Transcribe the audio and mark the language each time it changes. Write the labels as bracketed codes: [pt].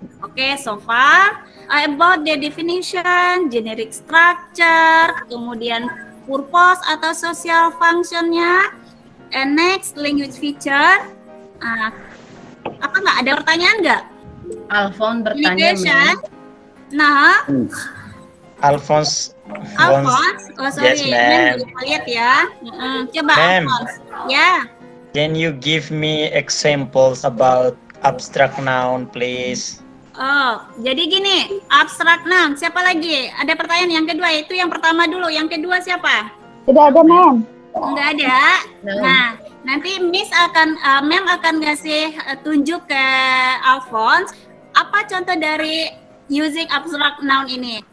[en] Okay, so far about the definition, generic structure, kemudian purpose atau social functionnya, and next language feature. [id] Apa nggak ada pertanyaan nggak? Alphonse bertanya. Nah. [en] Alphonse, can you give me examples about abstract noun, please? [id] Oh, jadi gini, abstract noun, siapa lagi? Ada pertanyaan yang kedua, itu yang pertama dulu, yang kedua siapa? Tidak ada, ma'am. Tidak ada? Nah, nanti Miss akan, ma'am akan ngasih tunjuk ke Alphonse, apa contoh dari using abstract noun ini?